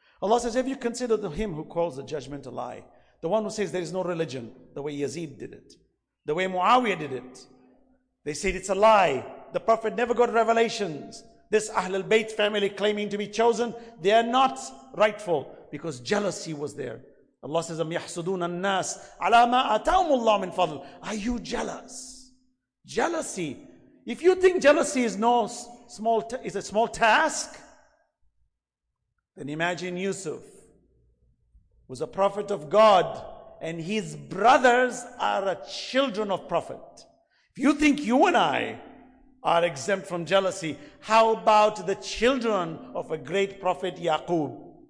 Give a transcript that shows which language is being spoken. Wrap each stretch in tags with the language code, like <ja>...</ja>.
<en>Allah says, have you considered him who calls the judgment a lie? The one who says there is no religion, the way Yazid did it. The way Muawiyah did it. They said it's a lie. The Prophet never got revelations. This Ahlul Bayt family claiming to be chosen, they are not rightful because jealousy was there.</en> <ar>Allah says, أَمْ يَحْسُدُونَ النَّاسَ عَلَى مَا أَتَاهُمُ اللَّهُ مِنْ فَضْلٍ.</ar> <en>Are you jealous? Jealousy. If you think jealousy is a small task, then imagine Yusuf, who's a prophet of God, and his brothers are a children of prophet. If you think you and I are exempt from jealousy, how about the children of a great prophet, Yaqub?</en>